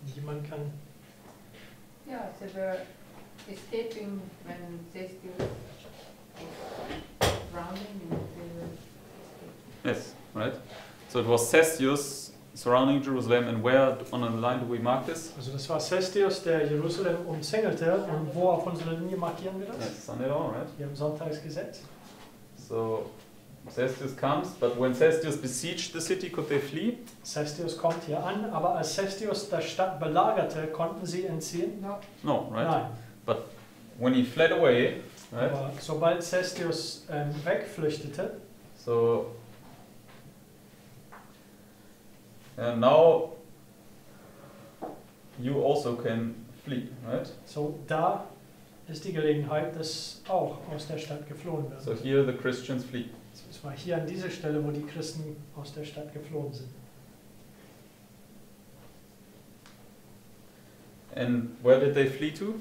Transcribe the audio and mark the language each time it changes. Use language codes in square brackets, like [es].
[de] Jemand kann. [en] Yeah, they were escaping when they still surrounding him. Yes, right. So it was Cestius surrounding Jerusalem, and where on the line do we mark this? [de] Also, das war Cestius, der Jerusalem umzingelte, und wo auf unserer Linie markieren wir das? [en] Yes, Sunday law, right? [de] Wir haben Sonntagsgesetz. [en] So. Cestius comes, but when Cestius besieged the city, could they flee? [de] Cestius kommt hier an, aber als Cestius die Stadt belagerte, konnten sie entziehen? [en] No, right? [de] Nein. [en] But when he fled away, right? [de] Aber sobald Cestius wegflüchtete, [en] so and now you also can flee, right? [de] So da ist die Gelegenheit, dass auch aus der Stadt geflohen wird. [en] So here the Christians flee. [de] Es war hier an dieser Stelle, wo die Christen aus der Stadt geflohen sind. [en] And where did they flee to?